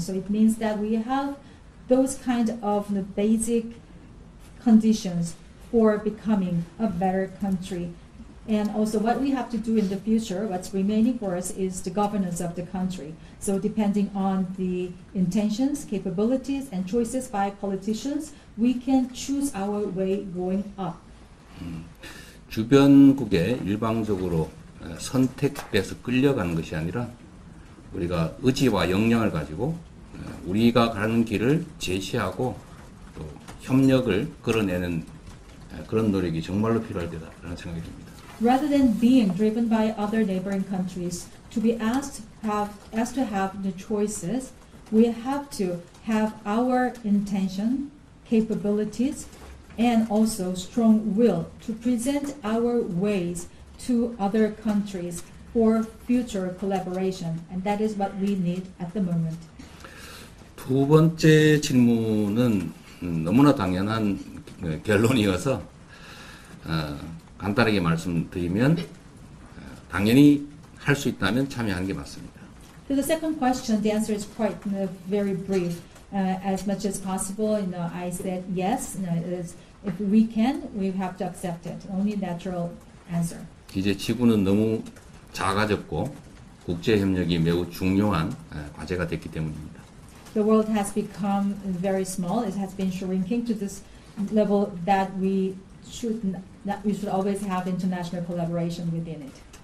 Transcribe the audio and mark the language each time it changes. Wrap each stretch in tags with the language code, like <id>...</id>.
<en>So it means that we have those kind of basic conditions for becoming a better country. And also what we have to do in the future, what's remaining for us, is the governance of the country. So depending on the intentions, capabilities, and choices by politicians, we can choose our way going up.</en> <ko>주변국에 일방적으로 선택돼서 끌려가는 것이 아니라 우리가 의지와 역량을 가지고 우리가 가는 길을 제시하고 또 협력을 끌어내는 그런 노력이 정말로 필요할 때다라는 생각이 듭니다.</ko> <en>Rather than being driven by other neighboring countries to be asked to have the choices, we have to have our intention, capabilities and also strong will to present our ways to other countries for future collaboration, and that is what we need at the moment.</en> <ko>두 번째 질문은 너무나 당연한 결론이어서 간단하게 말씀드리면 당연히 할 수 있다면 참여하는 게 맞습니다.</ko> <en>To the second question, the answer is quite very brief. As much as possible, I said yes. If we can, we have to accept it. Only natural answer.</en> <ko>이제 지구는 너무 작아졌고 국제협력이 매우 중요한 과제가 됐기 때문입니다.</ko> <en>The world has become very small. It has been shrinking to this level that we should always have international collaboration within it.</en>